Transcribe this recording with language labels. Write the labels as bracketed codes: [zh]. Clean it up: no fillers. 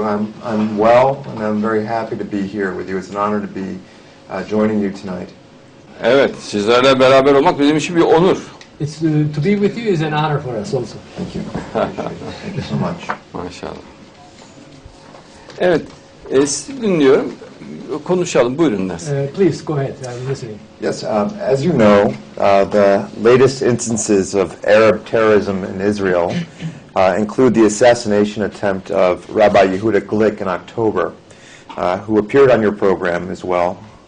[en] I'm well and I'm very happy to be here with you. It's an honor to be joining you tonight. [tr] Evet, sizlerle beraber olmak bizim için bir onur. [en] It's to be with you is an honor for us also. Thank you. Thank you so much. [tr] Maşallah. Evet, sizi dinliyorum. Konuşalım, buyurun ders. [en] Please, go ahead. I'm listening. Yes, as you know, the latest instances of Arab terrorism in Israel include the assassination attempt of Rabbi Yehuda Glick in October, who appeared on your program as well,